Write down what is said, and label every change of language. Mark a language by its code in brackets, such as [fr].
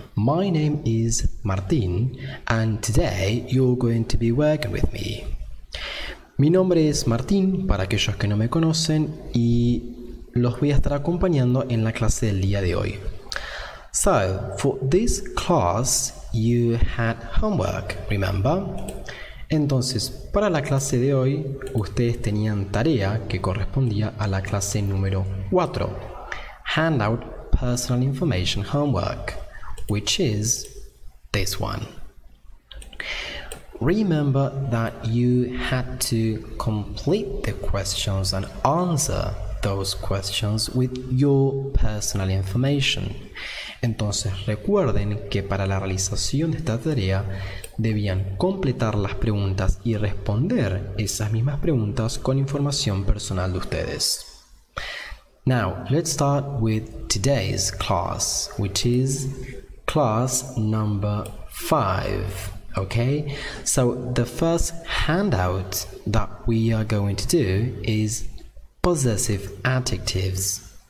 [en] My name is Martin, and today you're going to be working with me. [es] Mi nombre es Martin, para aquellos que no me conocen, y los voy a estar acompañando en la clase del día de hoy. [en] So, for this class, you had homework, remember? [es] Entonces, para la clase de hoy, ustedes tenían tarea que correspondía a la clase número 4. [en] Handout Personal Information Homework, which is this one. Remember that you had to complete the questions and answer those questions with your personal information. [es] Entonces, recuerden que para la realización de esta tarea debían completar las preguntas y responder esas mismas preguntas con información personal de ustedes. [en] Now, let's start with today's class, which is class number 5, okay? So, the first handout that we are going to do is possessive adjectives.